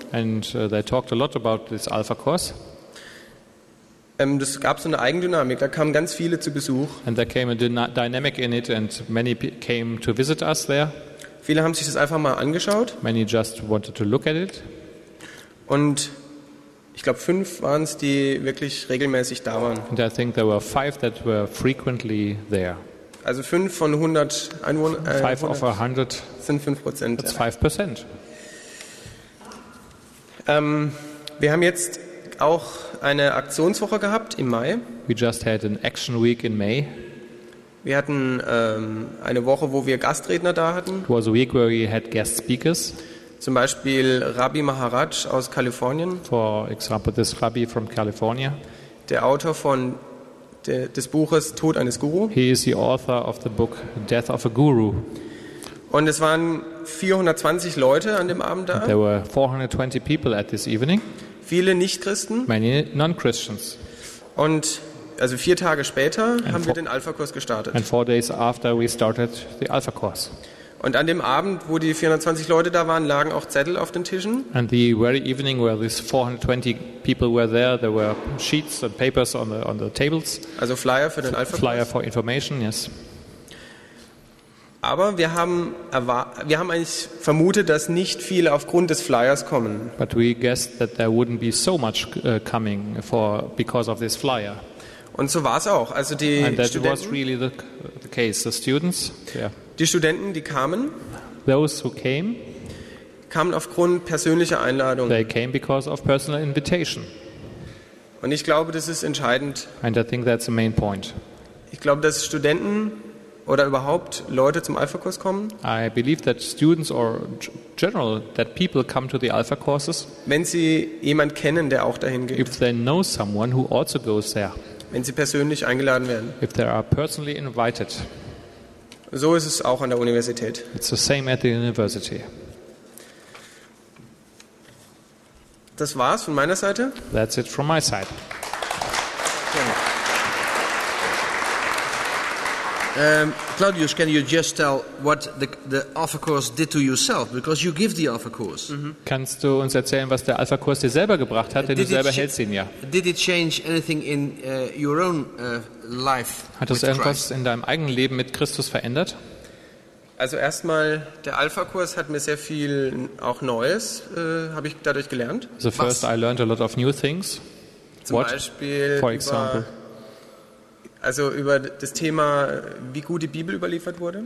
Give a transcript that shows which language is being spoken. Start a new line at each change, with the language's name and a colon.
English: And they talked a lot about this Alpha-Kurs.
German: Das gab so eine Eigendynamik, da kamen ganz viele zu Besuch.
English: And there came a dynamic in it and many came to visit us there.
German: Viele haben sich das einfach mal angeschaut.
English: Many just wanted to look at it.
German: Und ich glaube, 5 waren es, die wirklich regelmäßig da waren.
English: And I think there were 5 that were frequently there.
German: Also 5 von 100 Einwohnern.
English: 5 of 100
German: sind 5%.
English: That's 5%.
German: Wir haben jetzt auch eine Aktionswoche gehabt im Mai.
English: We just had an action week in May.
German: Wir hatten eine Woche, wo wir Gastredner da hatten.
English: It was a week where we had guest speakers.
German: Zum Beispiel Rabbi Maharaj aus Kalifornien.
English: For example, this Rabbi from California.
German: Der Autor von des Buches Tod eines Guru.
English: He is the author of the book Death of a Guru.
German: Und es waren 420 Leute an dem Abend da.
English: There were 420 people at this evening.
German: Viele Nichtchristen.
English: Many non-Christians.
German: Und also 4 Tage später haben wir den Alpha-Kurs gestartet.
English: And 4 days after we started the Alpha-Kurs.
German: Und an dem Abend, wo die 420 Leute da waren, lagen auch Zettel auf den Tischen.
English: And the very evening where these 420 people were there, there were sheets and papers on the tables.
German: Also Flyer für den Alpha-Kurs.
English: Flyer for information, yes.
German: Aber wir haben eigentlich vermutet, dass nicht viele aufgrund des Flyers kommen.
English: But we guessed that there wouldn't be so much coming for because of this flyer.
German: Und so war es auch. Also die Studenten.
English: And that was really the case. The students. Yeah.
German: Die Studenten, die kamen.
English: Those who came.
German: Kamen aufgrund persönlicher Einladung.
English: They came because of personal invitation.
German: Und ich glaube, das ist entscheidend.
English: And I think that's the main point.
German: Ich glaube, dass Studenten oder überhaupt Leute zum Alpha-Kurs kommen.
English: I believe that students or general that people come to the Alpha courses.
German: Wenn sie jemand kennen, der auch dahin geht.
English: If they know someone who also goes there.
German: Wenn sie persönlich eingeladen werden.
English: If they are personally invited.
German: So ist es auch an der Universität.
English: It's the same at the university.
German: Das war's von meiner Seite.
English: That's it from my side. Claudius, can you just tell what the Alpha Course did to yourself? Because you give the Alpha Course. Mm-hmm.
German: Kannst du uns erzählen, was der Alpha Course dir selber gebracht hat, denn du selber hältst ihn ja?
English: Did it change anything in your own life?
German: Hat das irgendwas in deinem eigenen Leben mit Christus verändert? Also erstmal, der Alpha Course hat mir sehr viel auch Neues, habe ich dadurch gelernt.
English: So first, was? I learned a lot of new things.
German: Zum
English: what?
German: Beispiel,
English: for example.
German: Also über das Thema, wie gut die Bibel überliefert wurde.